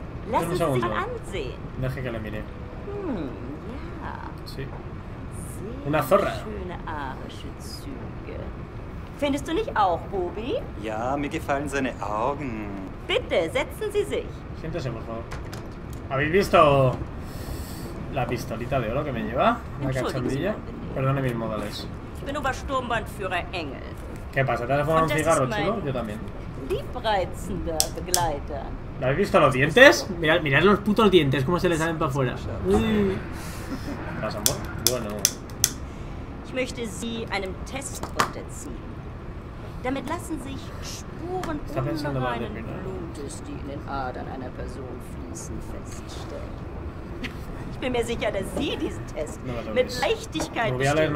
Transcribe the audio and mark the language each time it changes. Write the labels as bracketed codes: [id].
[de] Lassen Sie sich mal ansehen. [es] Deje que le mire. [de] Hmm, ja. [es] Sí. Una zorra. [de] Schöne arische Züge. Findest du nicht auch, Bobby? Ja, mir gefallen seine Augen. Bitte, setzen Sie sich. [es] Siéntese, por favor. ¿Habéis visto la pistolita de oro que me lleva? La cachondilla. Perdone mis modales. [de] Ich bin Obersturmbannführer Engel. [es] ¿Qué pasa? ¿Te has fumado un cigarro, chulo? Yo también. [de] Liebreizender Begleiter. [es] ¿Lo habéis visto los dientes? Mirad, mirad los putos dientes, cómo se le salen para afuera. ¿Pasa, amor? Bueno. [de] Ich möchte Sie einem Test unterziehen. Damit lassen sich Spuren ungeheuren Blutes, die in den Adern einer Person fließen, feststellen. Ich bin mir sicher, dass Sie diesen Test mit Leichtigkeit bestehen.